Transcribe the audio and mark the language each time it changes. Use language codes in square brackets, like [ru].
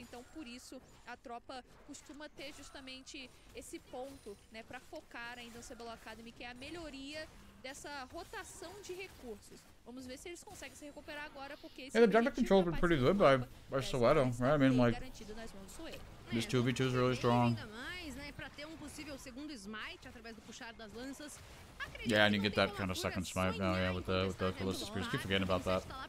[pt] Então por isso a tropa costuma ter justamente esse ponto, né, pra focar ainda no CBLOL Academy, que é a melhoria dessa rotação de recursos. Vamos ver se eles conseguem se recuperar agora, porque esse [en] objective control been pretty good by Soweto, right? I mean, like, this 2v2 is really strong. [pt] Para ter um possível segundo smite através do puxar das lanças, [en] Yeah, and you get that kind of second smite now, yeah, with the Callista Spears. Keep forgetting about that.